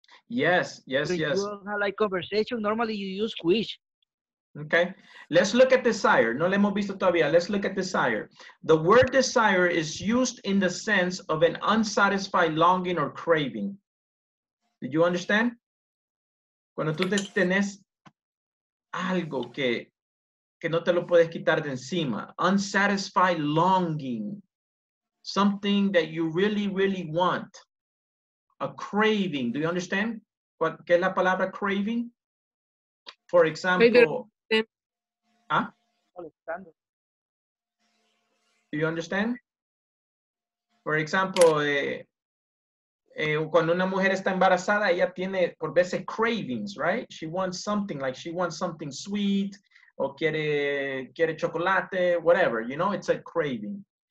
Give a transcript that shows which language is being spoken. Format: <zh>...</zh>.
<en>Yes. You have, like conversation, normally you use wish. Okay. Let's look at desire.</en> <es>No le hemos visto todavía.</es> <en>Let's look at desire. The word desire is used in the sense of an unsatisfied longing or craving. Did you understand?</en> <es>Cuando tú tenés algo que no te lo puedes quitar de encima.</es> <en>Unsatisfied longing. Something that you really, really want. A craving. Do you understand?</en> <es>¿Qué es la palabra craving?</es> <en>For example... Do you understand? For example,</en> <es>cuando una mujer está embarazada, ella tiene por veces cravings, right?</es> <en>She wants something, like she wants something sweet,</en> <es>o quiere chocolate,</es> <en>whatever, you know, it's a craving.</en>